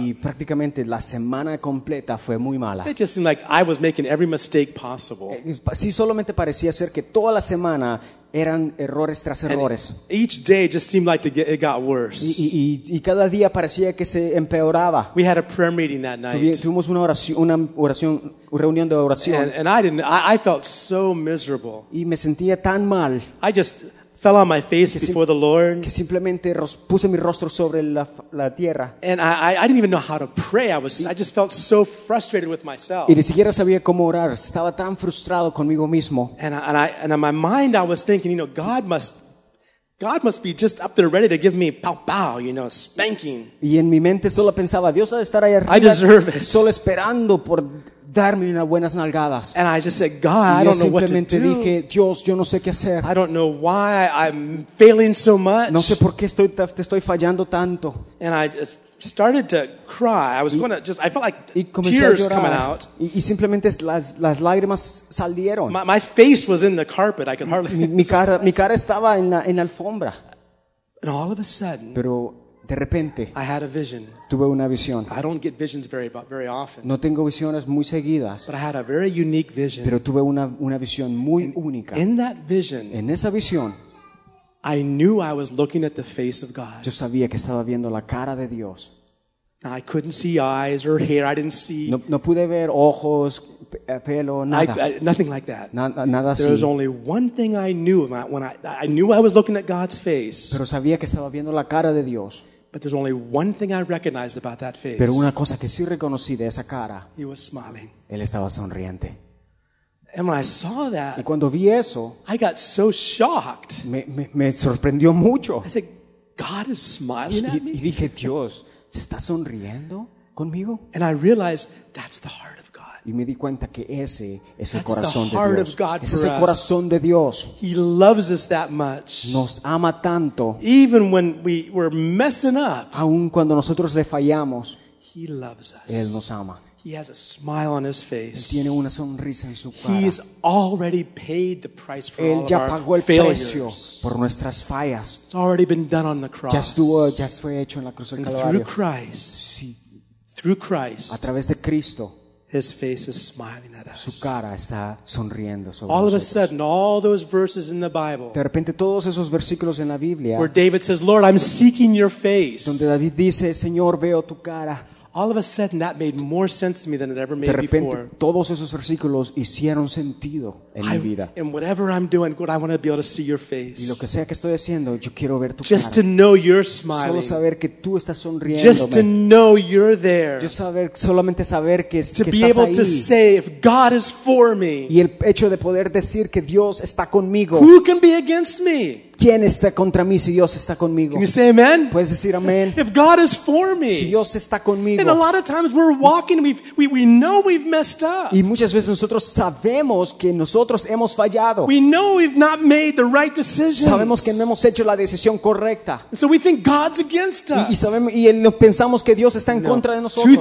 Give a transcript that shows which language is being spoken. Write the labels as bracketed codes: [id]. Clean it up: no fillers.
[es] Y prácticamente la semana completa fue muy mala. [en] It just seemed like I was making every mistake possible. [es] Sí, solamente parecía ser que toda la semana eran errores tras errores. [en] And each day just seemed like it got worse. [es] Y cada día parecía que se empeoraba. [en] We had a prayer meeting that night. [es] Tuvimos una reunión de oración. [en] And I felt so miserable. [es] Y me sentía tan mal. [en] I just fell on my face before the Lord. [es] Que simplemente puse mi rostro sobre la tierra. [en] And I didn't even know how to pray. I just felt so frustrated with myself. [es] Y ni siquiera sabía cómo orar. Estaba tan frustrado conmigo mismo. [en] And in my mind I was thinking, you know, God must be just up there ready to give me pow pow, you know, spanking. [es] Y en mi mente solo pensaba, Dios ha de estar ahí arriba. [en] I deserve it. [es] Solo esperando por darme unas buenas nalgadas. [en] And I just said, God, [es] y [en] I don't know what to [es] dije, [en] do. [es] Dije, Dios, yo no sé qué hacer. [en] I don't know why I'm failing so much. [es] No sé por qué te estoy fallando tanto. [en] And I just started to cry. I felt like tears coming out. [es] Y simplemente las lágrimas salieron. [en] My face was in the carpet. I could hardly. [es] Mi cara estaba en la alfombra. [en] And all of a sudden. [es] Pero de repente, [en] I had a vision. [es] Tuve una visión. [en] I don't get visions very often. [es] No tengo visiones muy seguidas. [en] But I had a very unique vision. [es] Pero tuve una visión muy única. [en] In that vision, [es] en esa visión, [en] I knew I was looking at the face of God. [es] Yo sabía que estaba viendo la cara de Dios. [en] I couldn't see eyes or hair. I didn't see. [es] No pude ver ojos, pelo, nada. [en] Nothing like that. [es] Nada así. [en] There was only one thing I knew when I knew I was looking at God's face. [es] Pero sabía que estaba viendo la cara de Dios. [en] But there's only one thing I recognized about that face. [es] Pero una cosa que sí reconocí de esa cara. [en] He was smiling. [es] Él estaba sonriente. [en] And when I saw that, [es] y cuando vi eso, [en] I got so shocked. [es] Me sorprendió mucho. [en] I said, God is smiling at me. [es] Y dije, Dios, ¿se está sonriendo conmigo? [en] And I realized that's the heart of God. [es] Y me di cuenta que ese es el corazón de Dios. [en] That's the heart of God for us. [es] Ese es el corazón de Dios. [en] He loves us that much. [es] Nos ama tanto. [en] Even when we're messing up. [es] Aun cuando nosotros le fallamos. [en] He loves us. [es] Él nos ama. [en] He has a smile on his face. [es] Él tiene una sonrisa en su cara. [en] He has already paid the price for [es] él [en] all [es] ya [en] of [es] pagó [en] our [es] el [en] failures. [es] Precio por nuestras fallas. [en] It's already been done on the cross. [es] Ya fue hecho en la cruz del Calvario. [en] Through Christ. [es] Sí. [en] Through Christ. [es] A través de Cristo. [en] His face is smiling at us. [es] Su cara está sonriendo sobre [en] all Of a sudden, all those verses in the Bible. [es] De repente, todos esos versículos en la Biblia. [en] Where David says, "Lord, I'm seeking your face." [es] Donde David dice, "Señor, veo tu cara." [en] All of a sudden, that made more sense to me than it ever made [es] de repente, [en] before. [es] Todos esos versículos hicieron sentido en mi vida. [en] In whatever I'm doing, God, I want to be able to see your face. [es] Y lo que sea que estoy haciendo, yo quiero ver tu [en] just [es] cara. [en] To know you're smiling. [es] Solo saber que tú estás sonriendo. [en] Just to know you're there. [es] Yo saber, solamente saber que estás ahí. [en] To be able to say if God is for me. [es] Y el hecho de poder decir que Dios está conmigo. [en] Who can be against me? [es] ¿Quién está contra mí si Dios está conmigo? [en] Can you say amen? [es] ¿Puedes decir amén? [en] If God is for me. [es] Si Dios está conmigo. [en] And a lot of times we're walking, we know we've messed up. [es] Y muchas veces nosotros sabemos que nosotros hemos fallado. [en] We know we've not made the right decision. [es] Sabemos que no hemos hecho la decisión correcta. [en] So we think God's against us. [es] Y sabemos y pensamos que Dios está en contra de nosotros.